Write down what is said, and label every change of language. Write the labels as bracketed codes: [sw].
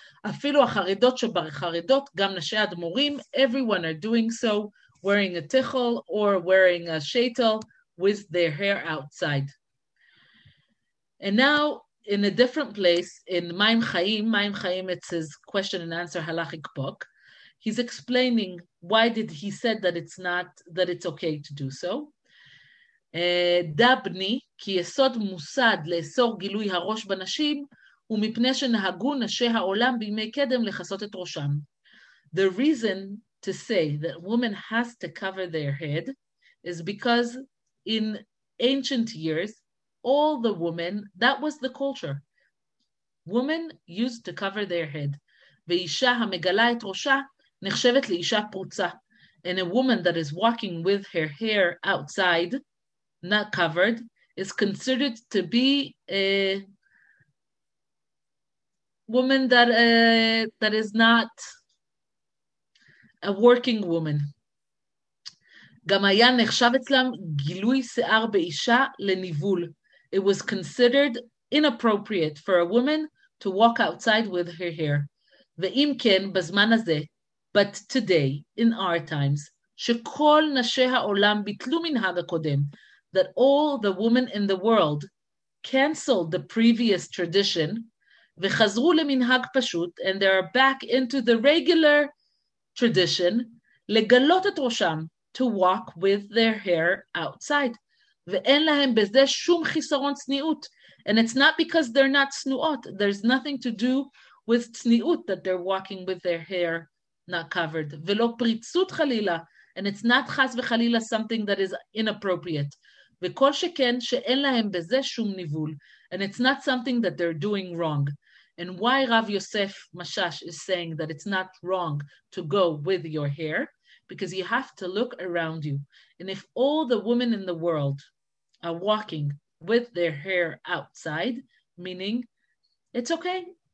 [he] אפילו החרדות שבחרדות, גם נשי אדמורים, [en] everyone are doing so, wearing a tichel or wearing a sheitel with their hair outside. And now, in a different place, in Maim Chaim, it's his question and answer halachic book, he's explaining why did he said that it's not, that it's okay to do so. [he] דבני, כי יסוד מוסד לאסור גילוי הראש בנשים, הוא מפני שנהגו נשי העולם בימי קדם לחסות את ראשם. [en] The reason to say that a woman has to cover their head is because in ancient years, all the women, that was the culture. Women used to cover their head. [he] ואישה המגלה את ראשה נחשבת לאישה פרוצה. [en] And a woman that is walking with her hair outside, not covered, is considered to be a woman that that is not a working woman. [he] גם היה נחשב אצלם גילוי שיער באישה לניבול. [en] It was considered inappropriate for a woman to walk outside with her hair. [he] ואם כן, בזמן הזה, [en] but today, in our times, [he] שכל נשי העולם ביטלו מנהג הקודם, [en] that all the women in the world canceled the previous tradition [he] וחזרו למנהג פשוט, [en] and they are back into the regular tradition, [he] לגלות את ראשם, [en] to walk with their hair outside. [he] ואין להם בזה שום חיסרון צניעות. [en] And it's not because they're not צנועות. There's nothing to do with צניעות that they're walking with their hair not covered. [he] ולא פריצות חלילה. [en] And it's not חס וחלילה something that is inappropriate. [he] וכל שכן שאין להם בזה שום ניבול. [en] And it's not something that they're doing wrong. And why Rav Yosef Mashash is saying that it's not wrong to go with your hair? Because you have to look around you. And if all the women in the world are walking with their hair outside, meaning it's okay.